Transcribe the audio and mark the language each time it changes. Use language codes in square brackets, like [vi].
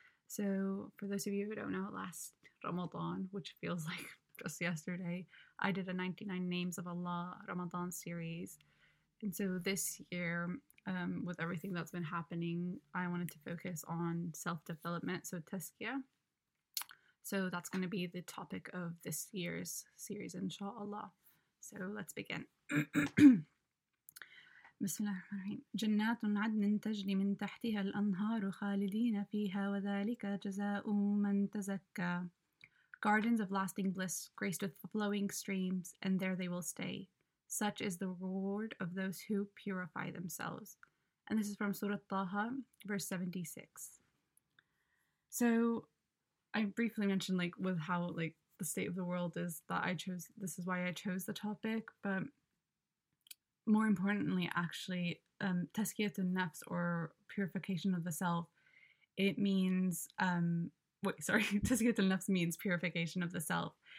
[en] So for those of you who don't know, last Ramadan, which feels like just yesterday, I did a 99 Names of Allah Ramadan series. And so this year, with everything that's been happening, I wanted to focus on self-development, so Tazkiyah. So that's going to be the topic of this year's series, inshallah. So let's begin. [ar] بسم الله الرحمن الرحيم جنات عدن تجري من تحتها الأنهار خالدين فيها وذلك جزاء من تزكى [en] Gardens of lasting bliss, graced with flowing streams, and there they will stay. Such is the reward of those who purify themselves. And this is from Surah Taha, verse 76. So, I briefly mentioned with how the state of the world is that I chose, this is why I chose the topic, but more importantly, actually, tazkiyat al-nafs, or purification of the self, it means, tazkiyat al-nafs means purification of the self.